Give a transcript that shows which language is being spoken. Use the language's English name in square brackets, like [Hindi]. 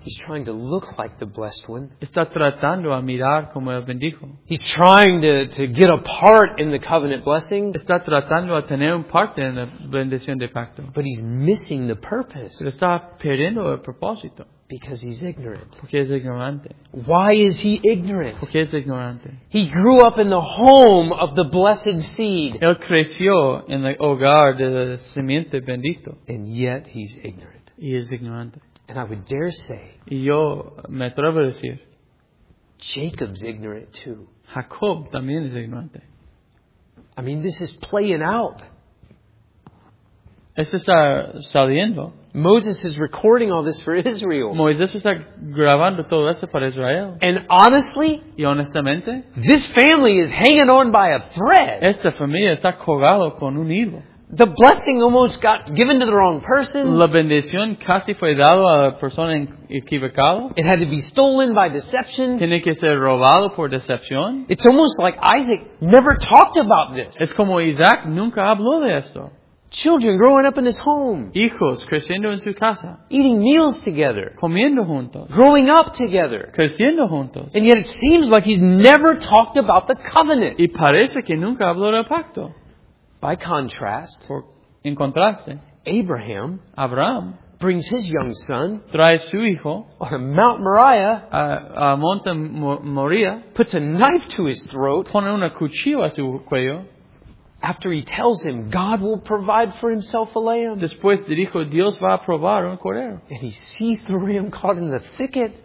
[English] He's trying to look like the blessed one. [Spanish] Está tratando a mirar como el bendijo. [English] He's trying to get a part in the covenant blessing. [Spanish] Está tratando a tener un parte en la bendición de pacto. [English] But he's missing the purpose. [Spanish] Pero está perdiendo el propósito. [English] Because he's ignorant. [Spanish] Porque es ignorante. [English] Why is he ignorant? [Spanish] Porque es ignorante. [English] He grew up in the home of the blessed seed. [Spanish] Él creció en el hogar de la simiente bendito. [English] And yet he's ignorant. [Spanish] Y es ignorante. [English] And I would dare say. [Spanish] Y yo me atrevo a decir. [English] Jacob's ignorant too. [Spanish] Jacob también es ignorante. [English] I mean, this is playing out. [Spanish] Esto está saliendo. [English] Moses is recording all this for Israel. [Spanish] Moisés está grabando todo esto para Israel. [English] And honestly, [Spanish] y honestamente, [English] this family is hanging on by a thread. [Spanish] Esta familia está colgado con un hilo. [English] The blessing almost got given to the wrong person. [Spanish] La bendición casi fue dado a la persona equivocada. [English] It had to be stolen by deception. [Spanish] Tiene que ser robado por decepción. [English] It's almost like Isaac never talked about this. [Spanish] Es como Isaac nunca habló de esto. [English] Children growing up in his home. [Spanish] Hijos creciendo en su casa. [English] Eating meals together. [Spanish] Comiendo juntos. [English] Growing up together. [Spanish] Creciendo juntos. [English] And yet it seems like he's never talked about the covenant. [Spanish] Y parece que nunca habló del pacto. [English] By contrast, [Spanish] en contraste, [English] Abraham brings his young son, [Spanish] trae su hijo, [English] on Mount Moriah, [Spanish] a Monte Moriah, [English] puts a knife to his throat, [Spanish] pone una cuchilla a su cuello, [English] after he tells him God will provide for himself a lamb. [Spanish] Después de dijo Dios va a probar un cordero. [English] And he sees the ram caught in the thicket.